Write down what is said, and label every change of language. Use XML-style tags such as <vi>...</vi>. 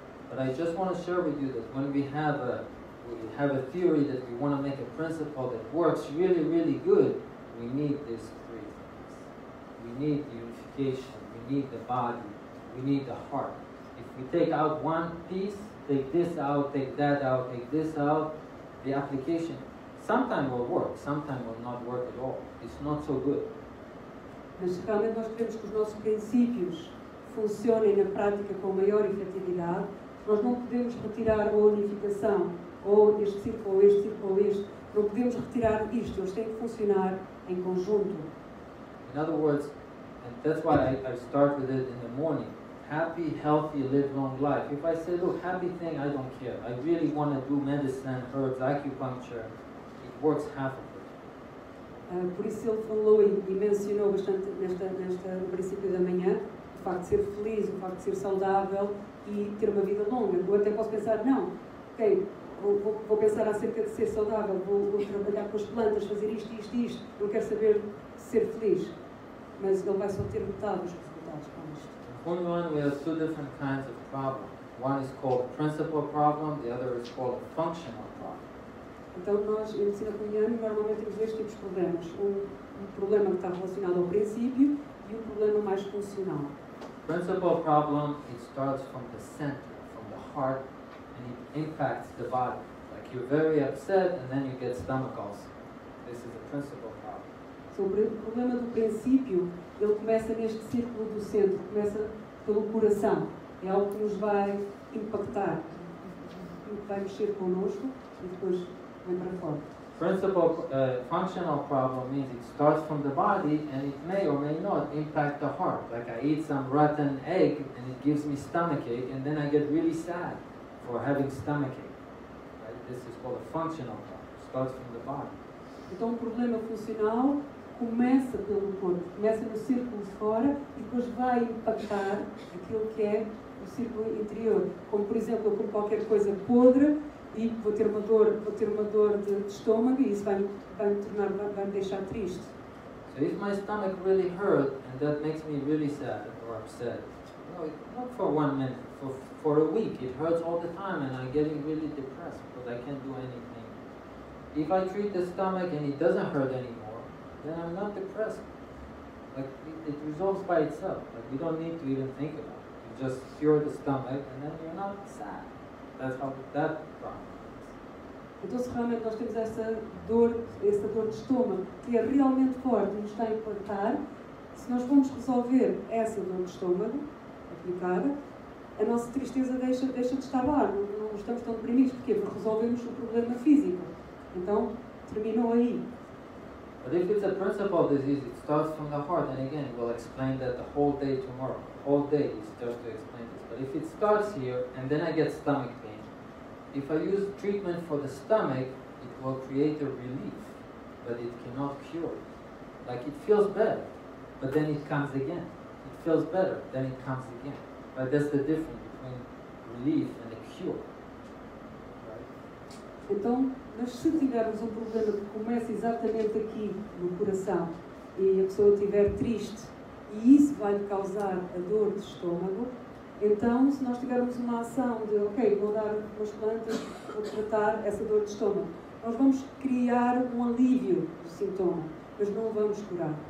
<en>But I just want to share with you that when we have a theory that we want to make a principle that works really, really good, we need these three things. We need the unification. We need the body, we need the heart. If we take out one piece, take this out, take that out, take this out, the application sometimes will work, sometimes will not work at all. It's not so good.</en> <pt>Mas realmente nós queremos que os nossos princípios funcionem na prática com maior efetividade. Nós não podemos retirar a unificação, ou este círculo, ou este círculo, ou este. Não podemos retirar isto, eles têm que funcionar em conjunto.</pt> <en>In other words, that's why I start with it in the morning. happy, healthy, live long life. If I say, look, happy thing, I don't care. I really want to do medicine, herbs, acupuncture. It works half of it.</en> <pt>Por isso ele falou e mencionou bastante nesta no princípio da manhã, o facto de ser feliz, o facto de ser saudável e ter uma vida longa. Eu até posso pensar, não, ok, vou pensar acerca de ser saudável, vou trabalhar com as plantas, fazer isto, isto, isto. Eu quero saber ser feliz. Mas ele vai só ter metade dos resultados com isto.</pt> <en>Point one, we have two different kinds of problems. One is called principal problem, the other is called functional problem.</en> <pt>Então nós, em medicina cunhana, normalmente temos dois tipos de problemas. Um problema que está relacionado ao princípio e um problema mais funcional.</pt> <en>Principal problem, it starts from the center, from the heart, and it impacts the body. Like you're very upset and then you get stomach ulcer. This is a principal problem.</en> <pt>So, o problema do princípio, ele começa neste círculo do centro, começa pelo coração. É algo que nos vai impactar, que vai mexer connosco e depois vem para fora.</pt> <en>Principal functional problem means it starts from the body and it may or may not impact the heart. Like I eat some rotten egg and it gives me stomachache and then I get really sad for having stomachache. Right? This is called a functional problem. It starts from the body.</en> <pt>Então o problema funcional começa pelo corpo, começa no círculo de fora e depois vai impactar aquilo que é o círculo interior. Como por exemplo, eu como qualquer coisa podre e vou ter uma dor de estômago e isso vai me deixar triste.</pt> <en>So if my stomach really hurt and that makes me really sad or upset, not for 1 minute, for a week, it hurts all the time and I'm getting really depressed because I can't do anything. If I treat the stomach and it doesn't hurt anymore, then I'm not depressed. Like it resolves by itself. Like you don't need to even think about it. You just cure the stomach and then you're not sad. That's how that problem.</en> <pt>Então se realmente nós temos essa dor de estômago que é realmente forte e nos está a impactar, se nós vamos resolver essa dor de estômago aplicada, a nossa tristeza deixa de estar lá, não estamos tão deprimidos. Porquê? Porque resolvemos o problema físico. Então, terminou aí.</pt> <en>But if it's a principal disease, it starts from the heart, and again, we'll explain that the whole day tomorrow. The whole day is just to explain this. But if it starts here, and then I get stomach pain, if I use treatment for the stomach, it will create a relief, but it cannot cure. Like it feels better, but then it comes again. It feels better, then it comes again. But that's the difference between relief and a cure.</en> <pt>Então, mas se tivermos um problema que começa exatamente aqui no coração e a pessoa estiver triste e isso vai lhe causar a dor de estômago, então se nós tivermos uma ação de, ok, vou dar umas plantas para tratar essa dor de estômago, nós vamos criar um alívio do sintoma, mas não vamos curar.</pt>